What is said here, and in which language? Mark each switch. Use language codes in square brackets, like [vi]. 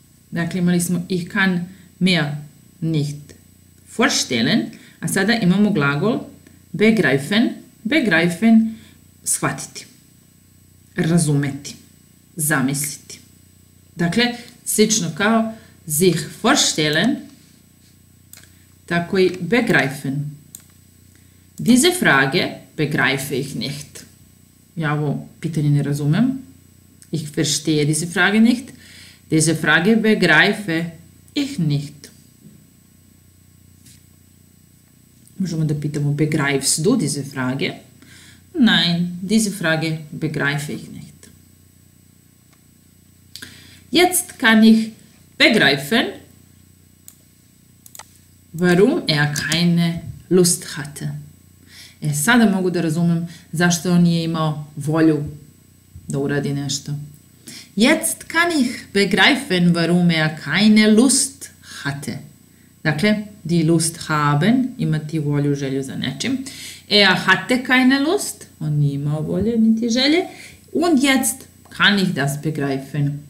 [sr] Dakle, imali smo [de] ich kann mir nicht vorstellen, [sr] a sada imamo glagol begreifen, begreifen, shvatiti, razumeti, zamisliti. Dakle, slično kao sich vorstellen, tako i begreifen. [de] Diese Frage begreife ich nicht. [sr] Ja ovo pitanje ne razumem. [de] Ich verstehe diese Frage nicht. Diese Frage begreife ich nicht. [sr] Možemo da pitamo [de] begreifst du diese Frage? Nein, diese Frage begreife ich nicht. Jetzt kann ich begreifen, Warum er keine Lust hatte. [sr] E sada mogu da razumem zašto on nije imao volju da uradi nešto. [de] Jetzt kann ich begreifen, warum er keine Lust hatte. [sr] Dakle, [de] die Lust haben, [sr] imati volju, želju za nečim. [de] Er hatte keine Lust, [sr] on nije imao volje, niti želje. [de] Und jetzt kann ich das begreifen.